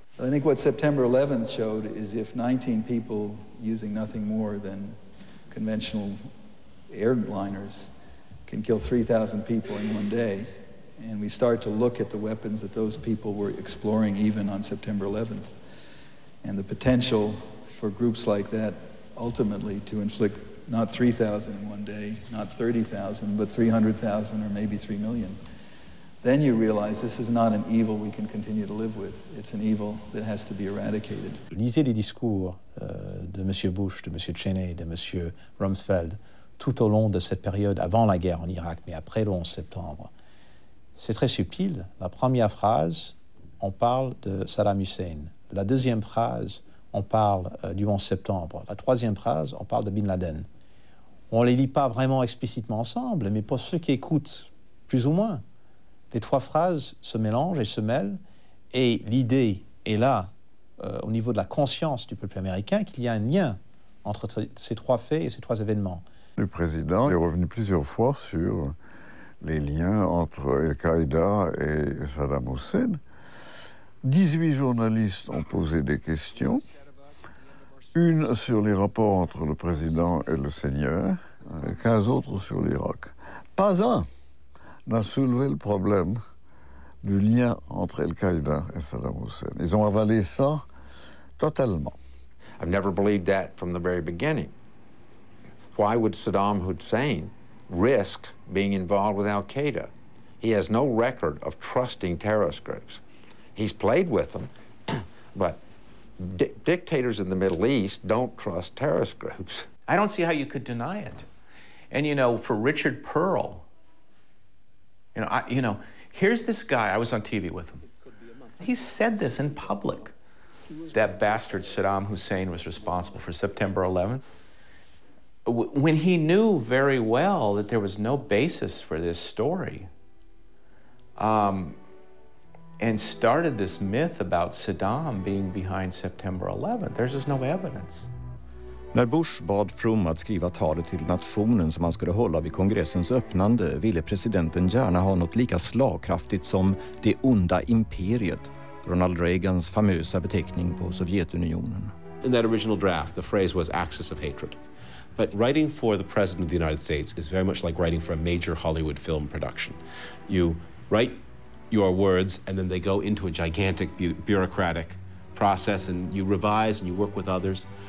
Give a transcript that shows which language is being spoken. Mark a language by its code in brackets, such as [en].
[en] I think what September 11th showed is if 19 people using nothing more than conventional airliners can kill 3,000 people in one day, and we start to look at the weapons that those people were exploring even on September 11th, and the potential for groups like that ultimately to inflict not 3,000 in one day, not 30,000, but 300,000 or maybe 3 million, then you realize this is not an evil we can continue to live with. It's an evil that has to be eradicated. [fr] Lisez les discours de Monsieur Bush, de Monsieur Cheney, de Monsieur Rumsfeld tout au long de cette période avant la guerre en Irak, mais après le 11 septembre. C'est très subtil. La première phrase, on parle de Saddam Hussein. La deuxième phrase, on parle du 11 septembre. La troisième phrase, on parle de Bin Laden. On ne les lit pas vraiment explicitement ensemble, mais pour ceux qui écoutent, plus ou moins, les trois phrases se mélangent et se mêlent, et l'idée est là, au niveau de la conscience du peuple américain, qu'il y a un lien entre ces trois faits et ces trois événements. Le président est revenu plusieurs fois sur les liens entre Al-Qaïda et Saddam Hussein. 18 journalistes ont posé des questions, une sur les rapports entre le président et le seigneur, 15 autres sur l'Irak. Pas un n'a soulevé le problème du lien entre Al-Qaïda et Saddam Hussein. Ils ont avalé ça totalement. [en] I've never believed that from the very beginning. Why would Saddam Hussein risk being involved with Al-Qaeda? He has no record of trusting terrorist groups. He's played with them, but dictators in the Middle East don't trust terrorist groups. I don't see how you could deny it. And you know, for Richard Perle, you know, here's this guy, I was on TV with him. He said this in public. That bastard Saddam Hussein was responsible for September 11th. When he knew very well that there was no basis for this story, and started this myth about Saddam being behind September 11th. There's just no evidence. [sv] När Bush bad Frum att skriva talet till nationen som han skulle hålla vid kongressens öppnande ville presidenten gärna ha något lika slagkraftigt som det onda imperiet, Ronald Reagans famösa beteckning på Sovjetunionen. [en] In that original draft, the phrase was axis of hatred. But writing for the president of the United States is very much like writing for a major Hollywood film production. You write your words and then they go into a gigantic bureaucratic process and you revise and you work with others.